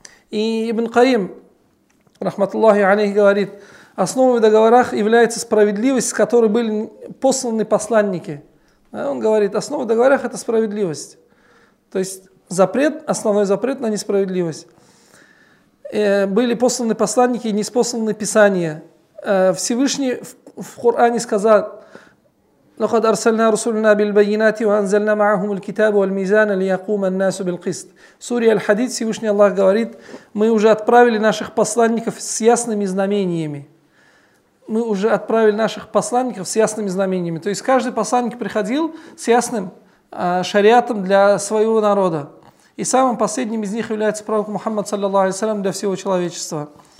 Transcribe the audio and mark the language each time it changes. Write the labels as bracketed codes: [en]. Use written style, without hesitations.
[ru] И Ибн Каим, рахматуллахи алейхи, говорит, основой в договорах является справедливость, с которой были посланы посланники. Он говорит, основа в договорах – это справедливость. То есть запрет, основной запрет на несправедливость. Были посланы посланники и неспосланы писания. Всевышний в Коране сказал: [ar] لقد أرسلنا رسلنا بالبينات وأنزلنا معهم الكتاب والميزان ليقوم الناس بالقسط. [ru] Сура аль-Хадид, Всевышний Аллах говорит: мы уже отправили наших посланников с ясными знамениями. Мы уже отправили наших посланников с ясными знамениями. То есть каждый посланник приходил с ясным шариатом для своего народа. И самым последним из них является пророк Мухаммад саллаллаху алейхи ва саллям для всего человечества.